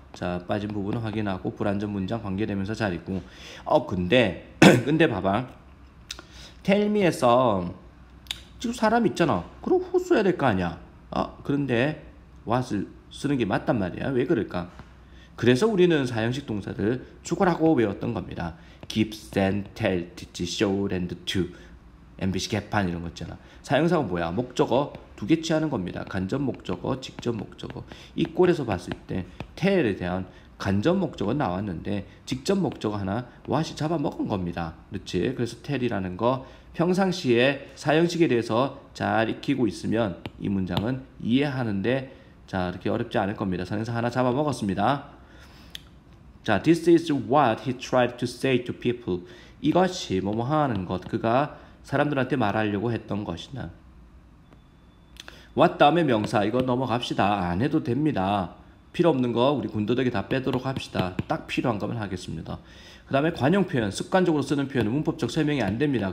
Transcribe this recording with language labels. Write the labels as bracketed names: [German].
[Korean] 자 빠진 부분은 확인하고 불완전 문장 관계되면서 잘 읽고 근데 봐봐 tell me에서 지금 사람 있잖아 그럼 who 써야 될 거 아니야. 그런데 what을 쓰는 게 맞단 말이야. 왜 그럴까? 그래서 우리는 사형식 동사를 죽으라고 외웠던 겁니다. [English] gives and tell, teach, show, lend to MBC [Korean] 개판 이런 거 있잖아. 사형사가 뭐야? 목적어 두 개 취하는 겁니다. 간접 목적어, 직접 목적어. 이 꼴에서 봤을 때 tell에 대한 간접 목적어 나왔는데 직접 목적어 하나 what이 잡아먹은 겁니다. 그렇지? 그래서 tell이라는 거 평상시에 사형식에 대해서 잘 익히고 있으면 이 문장은 이해하는데 자 이렇게 어렵지 않을 겁니다. 사형사 하나 잡아먹었습니다. [English] 자, this is what he tried to say to people. [Korean] 이것이 뭐뭐 하는 것 그가 사람들한테 말하려고 했던 것이나 what 다음에 명사 이거 넘어갑시다. 안 해도 됩니다. 필요 없는 거 우리 군더더기 다 빼도록 합시다. 딱 필요한 거만 하겠습니다. 그 다음에 관용 표현 습관적으로 쓰는 표현은 문법적 설명이 안 됩니다.